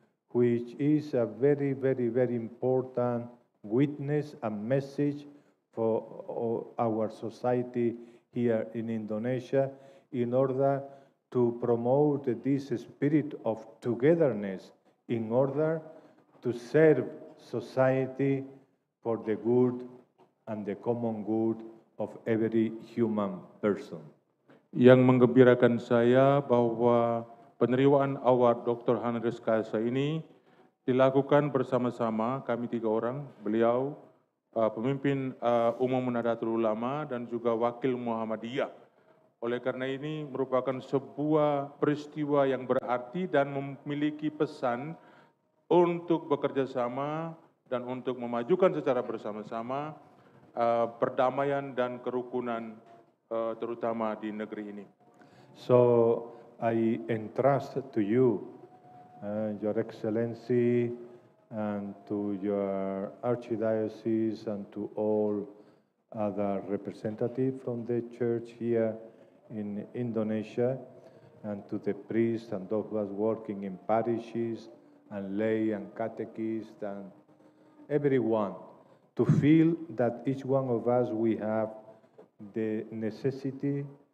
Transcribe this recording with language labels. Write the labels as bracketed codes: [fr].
[en] which is a very, very, very important witness and message for our society here in Indonesia in order to promote this spirit of togetherness in order to serve society for the good and the common good of every human person. [id] Yang menggembirakan saya bahwa penerimaan award Dr. Honoris Causa ini dilakukan bersama-sama kami tiga orang, beliau pemimpin umum Nahdlatul Ulama dan juga wakil Muhammadiyah. Oleh karena ini merupakan sebuah peristiwa yang berarti dan memiliki pesan untuk bekerja sama dan untuk memajukan secara bersama-sama perdamaian dan kerukunan terutama di negeri ini. [en] So I entrust to you, Your Excellency, and to your Archdiocese and to all other representatives from the Church here in Indonesia, and to the priests and those who are working in parishes and lay and catechists and everyone, to feel that each one of us, we have the necessity